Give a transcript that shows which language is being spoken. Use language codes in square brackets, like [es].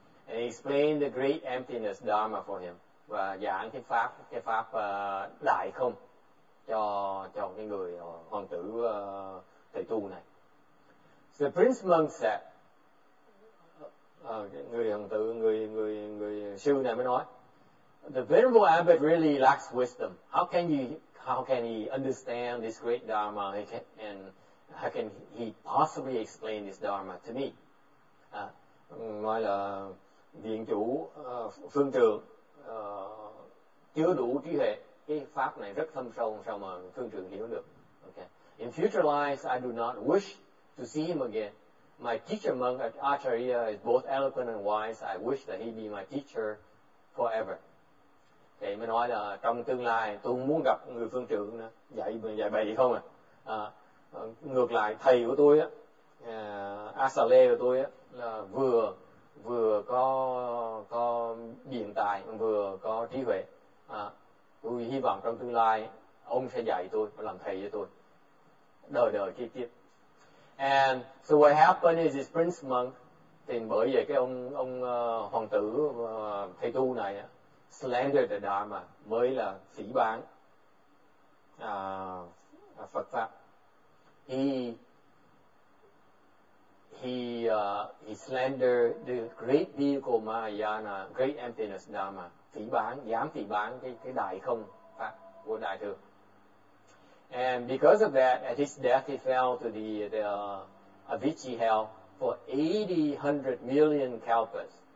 [en] And he explained the great emptiness dharma for him. [vi] Và giảng cái pháp đại không cho cái người hoàng tử thầy tu này. [en] So the prince monk said, [vi] người sư này mới nói, [en] "The venerable abbot really lacks wisdom. How can he understand this great dharma? And how can he possibly explain this dharma to me?" [vi] Nói là viện chủ phương trưởng chưa đủ trí huệ, cái pháp này rất thâm sâu, sao mà phương trưởng hiểu được? [en] Okay. "In future lives, I do not wish to see him again. My teacher monk at Acharya is both eloquent and wise. I wish that he be my teacher forever." [vi] Thì mới nói là trong tương lai tôi không muốn gặp người phương trưởng nữa, dạy bài gì không à? Ngược lại thầy của tôi á, Asale của tôi á, là vừa có biện tài, vừa có trí huệ. Tôi hy vọng trong tương lai ông sẽ dạy tôi và làm thầy cho tôi đời đời kiếp kiếp. [en] And so what happened is this prince monk, [vi] thì bởi vậy cái ông hoàng tử thầy tu này [en] slandered the dharma, [vi] mới là phỉ báng Phật pháp. [en] He slandered the great vehicle Mahayana, great emptiness dharma, [vi] dám phỉ báng cái đại không pháp của đại thừa. [en] And because of that, at his death, he fell to the Avicii hell for 80-100 million kalpas.